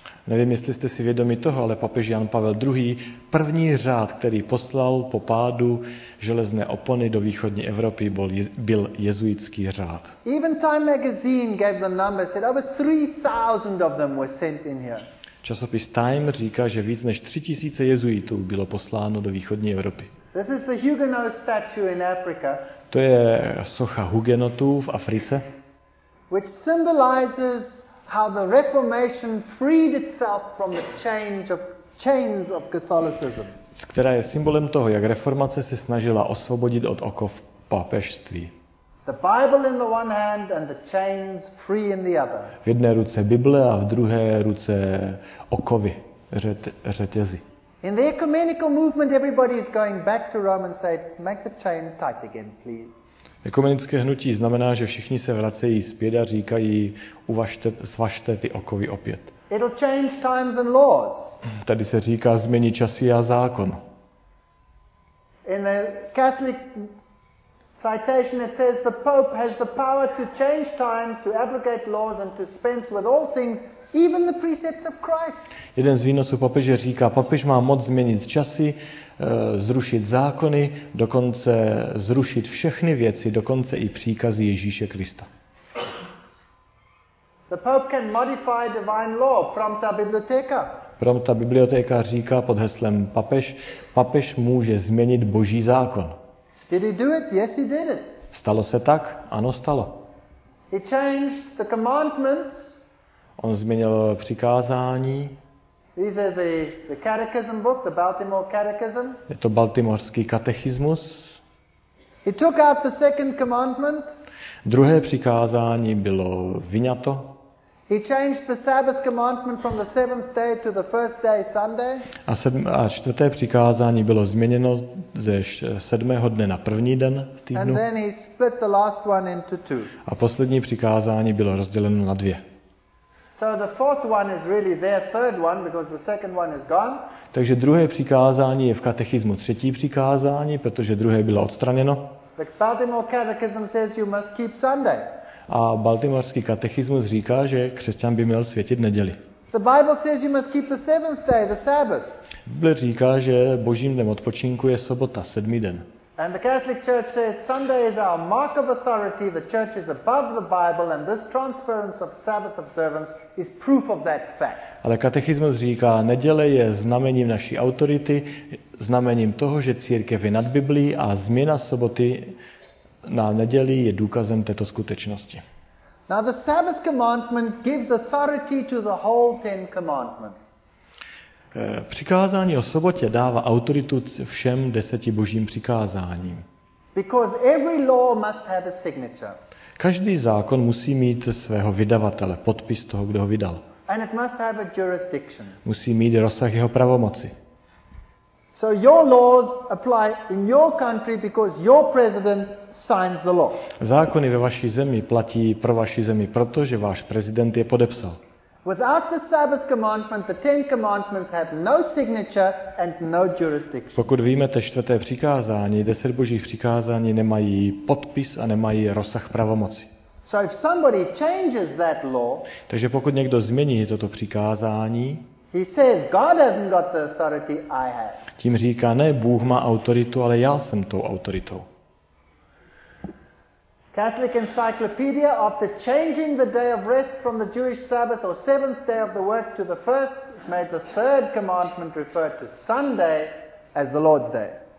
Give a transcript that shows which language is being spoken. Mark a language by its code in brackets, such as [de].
[cs] Nevím, jestli jste si vědomi toho, ale papež Jan Pavel II. První řád, který poslal po pádu železné opony do východní Evropy, byl jezuitský řád. [en] Even Time magazine gave the number, said over 3,000 of them were sent in here. [cs] Časopis Time říká, že víc než 3,000 jezuitů bylo posláno do východní Evropy. [en] This is the Huguenot statue in Africa. [cs] To je socha Huguenotů v Africe. [en] Which symbolizes how the Reformation freed itself from the chains of Catholicism. [cs] Která je symbolem toho, jak reformace se snažila osvobodit od okov papežství. [en] The Bible in the one hand and the chains free in the other. [cs] V jedné ruce Bible a v druhé ruce okovy, řetězy. [en] In the ecumenical movement everybody is going back to Rome and say, make the chain tight again, please. [cs] Ekumenické hnutí znamená, že všichni se vracejí zpět a říkají, svažte ty okovy opět. [en] It'll change times and laws. [cs] Tady se říká, změní časy a zákon. [en] In the Catholic citation it says the Pope has the power to change times, to abrogate laws and to dispense with all things, even the precepts of Christ. [cs] Jeden z výnosů papeže říká, papež má moc změnit časy, zrušit zákony, dokonce zrušit všechny věci, dokonce i příkazy Ježíše Krista. [en] The Pope can modify divine law, prompta bibliotheca. [cs] Prompta bibliotheca říká pod heslem papež může změnit Boží zákon. [en] Did he do it? Yes, he did it. [cs] Stalo se tak? Ano, stalo. [en] He changed the commandments. [cs] On změnil přikázání. [en] These are the catechism book, the Baltimore catechism. [cs] Je to baltimorský katechismus. [en] He took out the second commandment. [cs] Druhé přikázání bylo vyňato. [en] He changed the Sabbath commandment from the seventh day to the first day Sunday. [cs] A čtvrté přikázání bylo změněno ze sedmého dne na první den v týdnu. [en] And then he split the last one into two. [cs] A poslední přikázání bylo rozděleno na dvě. [en] So the fourth one is really their third one because the second one is gone. [cs] Takže druhé přikázání je v katechismu třetí přikázání, protože druhé bylo odstraněno. [en] The Baltimore Catechism says you must keep Sunday. [cs] A baltimorský katechismus říká, že křesťan by měl světit neděli. [en] The Bible says you must keep the seventh day, the Sabbath. [cs] Bible říká, že božím dnem odpočinku je sobota, sedmý den. [en] And the Catholic Church says Sunday is our mark of authority, the church is above the Bible and this transference of Sabbath observance is proof of that fact. [cs] Ale katechismus říká, neděle je znamením naší autority, znamením toho, že církev je nad Biblií a změna soboty na neděli je důkazem této skutečnosti. [en] Now the Sabbath commandment gives authority to the whole Ten Commandments. [cs] Přikázání o sobotě dává autoritu všem deseti božím přikázáním. [en] Because every law must have a signature. [cs] Každý zákon musí mít svého vydavatele, podpis toho, kdo ho vydal. [en] And it must have a jurisdiction. [cs] Musí mít rozsah jeho pravomoci. [en] So your laws apply in your country because your president signs the law. [cs] Zákony ve vaší zemi platí pro vaši zemi, protože váš prezident je podepsal. [en] Without the Sabbath commandment, the Ten Commandments have no signature and no jurisdiction. [cs] Pokud vyjmete čtvrté přikázání, deset božích přikázání nemají podpis a nemají rozsah pravomoci. [en] So if somebody changes that law, [cs] takže pokud někdo změní toto přikázání, [en] he says God hasn't got the authority I have. [cs] Tím říká, ne, Bůh má autoritu, ale já jsem tou autoritou. [en] Catholic Encyclopedia after changing the day of rest from the Jewish Sabbath or seventh day of the work to the first made the third commandment refer to Sunday as the Lord's day.